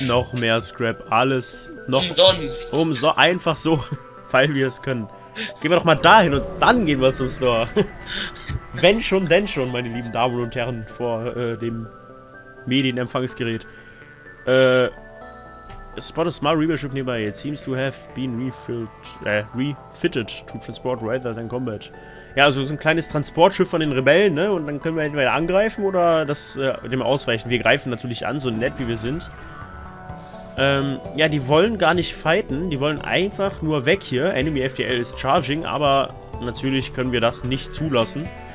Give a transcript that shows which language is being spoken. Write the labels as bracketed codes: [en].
[de] Noch mehr Scrap. Alles noch umsonst. Umsonst. Einfach so, weil wir es können. Gehen wir doch mal dahin und dann gehen wir zum Store. Wenn schon, denn schon, meine lieben Damen und Herren, vor dem Medienempfangsgerät. [en] Spot a small rebel ship nearby. It seems to have been refitted to transport rather than combat. [de] Ja, also so ein kleines Transportschiff von den Rebellen, ne? Und dann können wir entweder angreifen oder dem ausweichen. Wir greifen natürlich an, so nett wie wir sind. Ja, die wollen gar nicht fighten. Die wollen einfach nur weg hier. [en] Enemy FTL ist charging, [de] aber natürlich können wir das nicht zulassen.